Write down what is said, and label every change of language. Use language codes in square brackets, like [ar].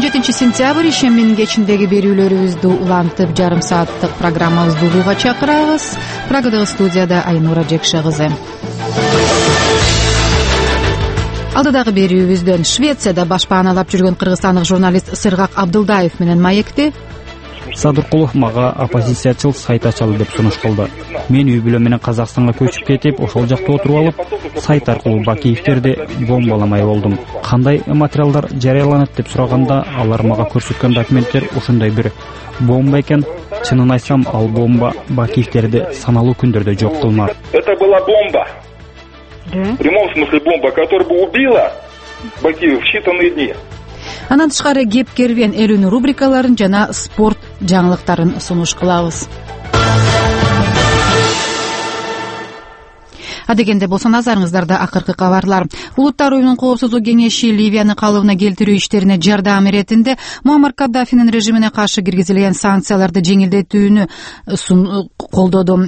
[ky] Сентябрь ишенбинин кечиндеги берүүлөрүбүздү улантып жарым сааттык программабызды угууга чакырабыз. Прагадагы студияда Айнура Жекше кызы. Алдыдагы берүүбүздөн Швецияда башпаналап жүргөн кыргызстандык журналист Сыргак Абдылдаев менен маекти. Садыркулов мага оппозициячыл сайт ачалы деп сунуш кылды. Мен үй бүлөм менен Казакстанга көчүп кетип, ошол жакта отуруп алып, сайт аркылуу Бакиевтерди бомбаламай болдум. Кандай материалдар жарыяланат деп сураганда, алар мага көрсөткөн документтер ушундай бир бомба экен. Чынын айтсам, ал бомба Бакиевтерди саналуу күндөрдө жок кылмак. [ru] Это была бомба. В прямом смысле бомба, которая бы убила Бакиев в считанные дни. [ky] Анан тышкары кеп кервен элүүнү рубрикаларын жана спорт жаңылыктарын сунуш кылабыз. Адегенде болсо назарыңыздарда акыркы кабарлар. Улуттар уюмунун коопсуздук кеңеши Ливияны калыбына келтирүү иштерине жардам иретинде Муаммар Каддафинин режимине каршы киргизилген санкцияларды жеңилдетүүнү колдоду.